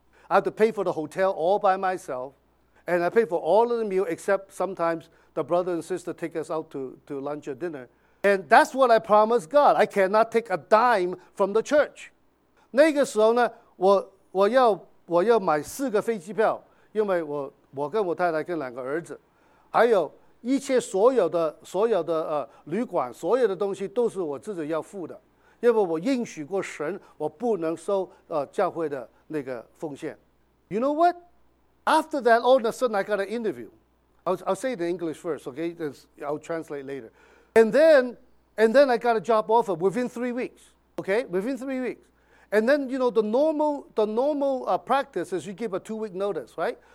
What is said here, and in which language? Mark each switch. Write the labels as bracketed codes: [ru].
[en] I have to pay for the hotel all by myself. And I pay for all of the meal except sometimes the brother and sister take us out to lunch or dinner. And that's what I promised God. I cannot take a dime from the church. [zh] 那个时候呢，我要买四个飞机票，因为我跟我太太跟两个儿子，还有一切所有的旅馆，所有的东西都是我自己要付的，因为我应许过神，我不能收教会的那个奉献。 [en] You know what? After that, all of a sudden, I got an interview. I'll say it in English first, okay? I'll translate later. And then I got a job offer within 3 weeks, okay? Within 3 weeks. And then, you know, the normal practice is you give a two-week notice, right?